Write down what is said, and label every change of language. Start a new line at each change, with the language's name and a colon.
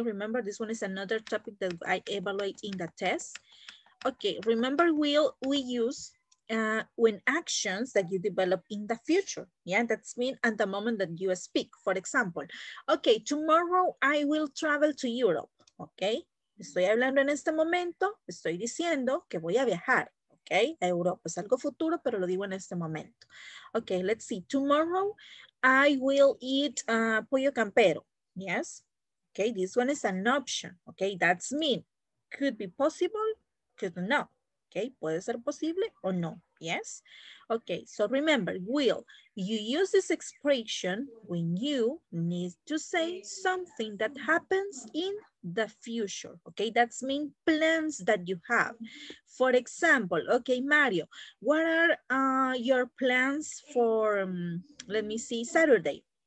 English: Remember, this one is another topic that I evaluate in the test. Okay, remember will we use when actions that you develop in the future, yeah? That's mean at the moment that you speak, for example. Okay, tomorrow I will travel to Europe, okay?
Spanish: Estoy hablando en este momento, estoy diciendo que voy a viajar, ¿ok? A Europa, es algo futuro, pero lo digo en este momento.
English: Ok, let's see, tomorrow I will eat pollo campero, yes? Ok, this one is an option, ok? That's mean, could be possible, could not, ok?
Spanish: Puede ser posible o no, yes?
English: Ok, so remember, will, you use this expression when you need to say something that happens in the future, okay? That's mean plans that you have. For example, okay, Mario, what are your plans for, let me see, Saturday?